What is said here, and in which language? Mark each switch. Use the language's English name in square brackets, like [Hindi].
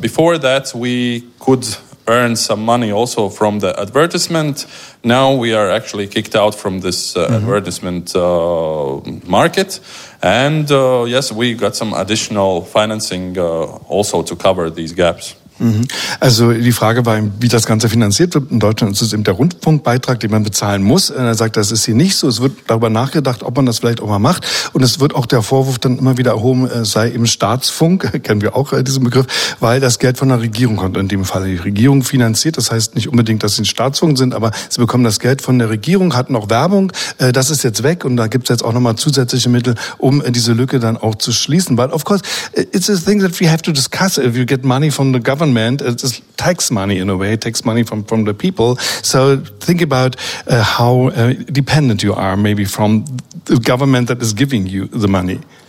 [English] Before that, we could earn some money also from the advertisement. Now we are actually kicked out from this advertisement market. And yes, we got some additional financing also to cover these gaps. [German] Also die Frage war, wie das Ganze finanziert wird. In Deutschland ist es eben der Rundfunkbeitrag, den man bezahlen muss. Und er sagt, das ist hier nicht so. Es wird darüber nachgedacht, ob man das vielleicht auch mal macht. Und es wird auch der Vorwurf dann immer wieder erhoben, sei eben Staatsfunk, kennen wir auch diesen Begriff, weil das Geld von der Regierung kommt. In dem Fall die Regierung finanziert. Das heißt nicht unbedingt, dass sie ein Staatsfunk sind, aber sie bekommen das Geld von der Regierung, hatten auch Werbung. Das ist jetzt weg und da gibt es jetzt auch nochmal zusätzliche Mittel, um diese Lücke dann auch zu schließen. [English] But of course, it's a thing that we have to discuss. If you get money from the government, it is tax money in a way, tax money from the people. So think about how dependent you are maybe from the government that is giving you the money.